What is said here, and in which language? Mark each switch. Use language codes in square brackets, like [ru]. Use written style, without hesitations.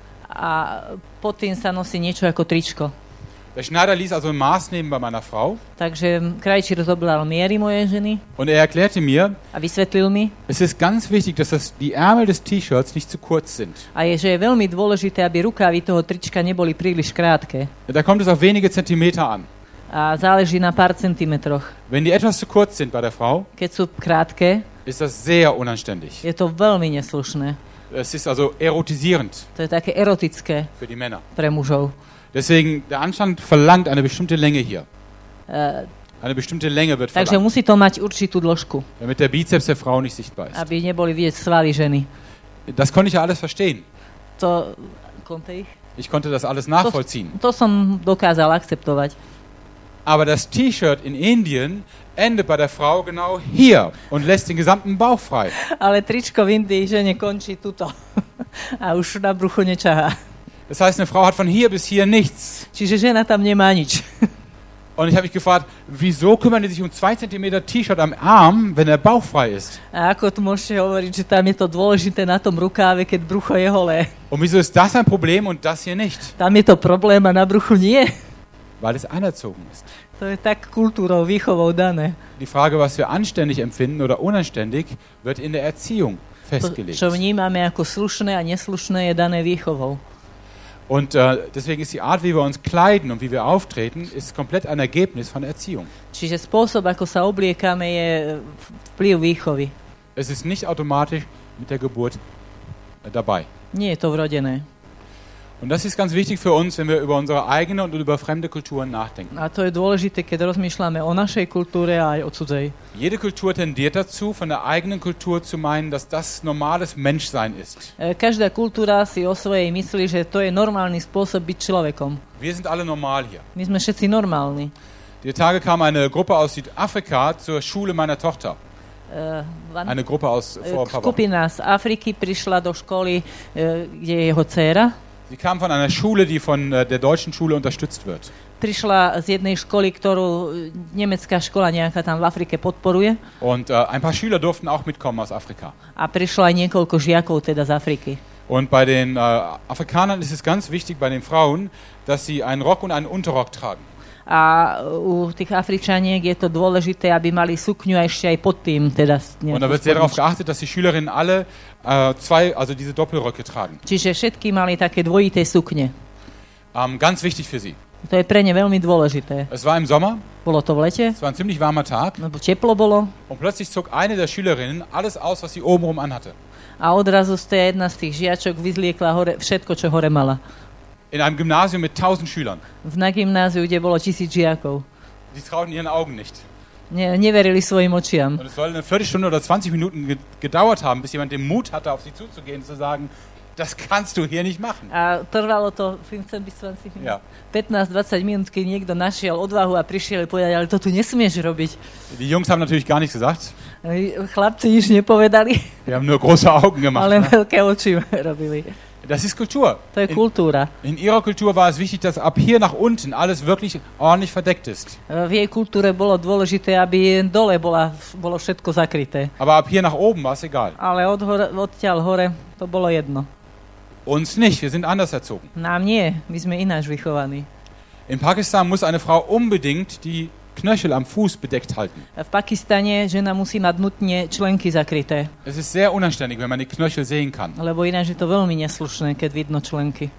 [sk] A pod tým sa nosí niečo ako tričko. [de] Der Schneider ließ also ein Maß nehmen bei meiner Frau. [sk] Takže krajčír zobral miery mojej ženy. [de] Und er erklärte mir. [sk] A vysvetlil mi. [de] Es ist ganz wichtig, dass die Ärmel des T-Shirts nicht zu kurz sind. [sk] A je, že je veľmi dôležité, aby rukávy toho trička neboli príliš krátke. [de] Da kommt es auf wenige Zentimeter an. [sk] A záleží na pár centimetroch. [de] Wenn die etwas zu kurz sind bei der Frau. [sk] Keď sú krátke. [de] Ist das sehr unanständig. [sk] Je to veľmi neslušné. [de] Es ist also erotisierend. [sk] To je také erotické. [de] Für die Männer. [sk] Pre mužov. [de] Deswegen, der Anstand verlangt eine bestimmte Länge hier. Eine bestimmte Länge wird [sk] takže [de] verlangt. [sk] Musí to mať určitú dĺžku. [de] Damit der Bizeps der Frau nicht sichtbar ist. [sk] Aby neboli vidieť svaly ženy. [de] Das konnte ich ja alles verstehen. To konnte ich. Ich konnte das alles nachvollziehen. [sk] To som dokázal akceptovať. [de] Aber das T-Shirt in Indien endet bei der Frau genau hier und lässt den gesamten Bauch frei. [sk] Ale tričko v Indii žene končí tuto. A už na bruchu nečahá. [de] Das heißt, eine Frau hat von hier bis hier nichts. [sk] Čiže žena tam nemá nič. [de] Und ich habe mich gefragt, wieso kümmern die sich um 2 cm T-Shirt am Arm, wenn der Bauch frei ist? [sk] A ako to môžete hovoriť, že tam je to dôležité na tom rukáve, keď brucho je holé? [de] Und wieso ist das ein Problem und das hier nicht? [sk] Tam je to problém a na bruchu nie. [de] Weil es anerzogen ist. [sk] To je tak kultúrou, výchovou dané. [de] Die Frage, was wir anständig empfinden oder unanständig, wird in der Erziehung festgelegt. [sk] To, čo vnímame ako slušné a neslušné, je dané výchovou. [de] Und deswegen ist die Art, wie wir uns kleiden und wie wir auftreten, ist komplett ein Ergebnis von Erziehung. [sk] Čiže spôsob, ako sa obliekame, je vplyv výchovy. [de] Es ist nicht automatisch mit der Geburt dabei. [sk] Nie je to vrodené. [de] Und das ist ganz wichtig für uns, wenn wir über unsere eigene und über fremde Kulturen nachdenken. [sk] A to je dôležité, keď rozmýšľame o našej kultúre a aj o cudzej. [de] Jede Kultur tendiert dazu, von der eigenen Kultur zu meinen, dass das normales Menschsein ist. [sk] Každá kultúra si o svojej myslí, že to je normálny spôsob byť človekom. [de] Wir sind alle normal hier. [sk] My sme všetci normálni. [de] Die Tage kam eine Gruppe aus Südafrika zur Schule meiner Tochter. Eine Gruppe aus Vorpommern. [sk] Skupina z Afriky prišla do školy, kde je jeho dcéra. [de] Sie kam von einer Schule, die von der deutschen Schule unterstützt wird. [sk] Prišla z jednej školy, ktorú nemecká škola nejaká tam v Afrike podporuje. [de] Und ein paar Schüler durften auch mitkommen aus Afrika. [sk] A prišlo aj niekoľko žiakov teda z Afriky. [de] Und bei den Afrikanern ist es ganz wichtig bei den Frauen, dass sie einen Rock und einen Unterrock tragen. [sk] A u tých Afričaniek je to dôležité, aby mali sukňu a ešte aj pod tým. Teda [de] und da wird sehr darauf geachtet, dass die Schülerinnen alle zwei, also diese Doppelröcke tragen. [sk] Čiže všetky mali také dvojité sukne. [de] Ganz wichtig für sie. [sk] To je pre ne veľmi dôležité. [de] Es war im Sommer. [sk] Bolo to v lete. [de] Es war ein ziemlich warmer Tag. [sk] No, teplo bolo. [de] Und plötzlich zog eine der Schülerinnen alles aus, was sie obenrum anhatte. [sk] A odrazu z tej jedna z tých žiačok vyzliekla hore, všetko, čo hore mala. [de] In einem Gymnasium mit 1000 Schülern. [sk] V gymnáziu, kde bolo 1000 žiakov. [de] Die trauten ihren Augen nicht. [sk] Neverili svojim očiam. [de] Und es soll eine Viertelstunde oder 20 Minuten gedauert haben, bis jemand den Mut hatte, auf sie zuzugehen und zu sagen, das kannst du hier nicht machen. [sk] A trvalo to 15-20 minút. [de] Ja. [sk] 15-20 minút, keď niekto našiel odvahu a prišiel a povedal, ale to tu nesmieš robiť. [de] Die Jungs haben natürlich gar nichts gesagt. [sk] Chlapci nič nepovedali. [de] Die haben nur große Augen gemacht. [sk] Ale veľké oči robili. [de] Das ist Kultur. [sk] To je kultúra. [de] In ihrer Kultur war es wichtig, dass ab hier nach unten alles wirklich ordentlich verdeckt ist. [sk] V jej kultúre bolo dôležité, aby dole bolo všetko zakryté. [de] Aber ab hier nach oben war es egal. [sk] Ale odtiaľ hore to bolo jedno. [de] Uns nicht, wir sind anders erzogen. [sk] Nám nie, my sme ináč vychovaní. [de] In Pakistan muss eine Frau unbedingt die Knöchel am Fuß bedeckt halten. [sk] V Pakistane žena musí mať nutne členky zakryté. [de] Es ist sehr unanständig, wenn man die Knöchel sehen kann. [sk] Lebo ináč je to veľmi neslušné, keď vidno členky.